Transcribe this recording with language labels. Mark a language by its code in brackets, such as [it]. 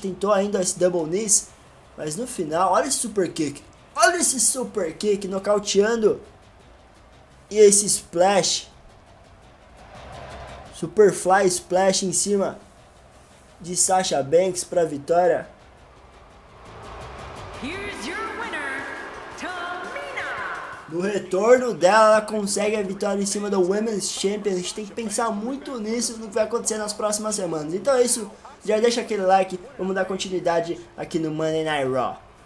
[pt] Tentou ainda esse Double Knees. Mas no final, olha esse super kick. Olha esse super kick nocauteando. E esse splash. Super fly splash em cima de Sasha Banks pra vitória. [en] Here's your winner, Tamina. [pt] No retorno dela, ela consegue a vitória em cima do Women's Champion. A gente tem que pensar muito nisso, no que vai acontecer nas próximas semanas. Então é isso. Já deixa aquele like, vamos dar continuidade aqui no Monday Night Raw.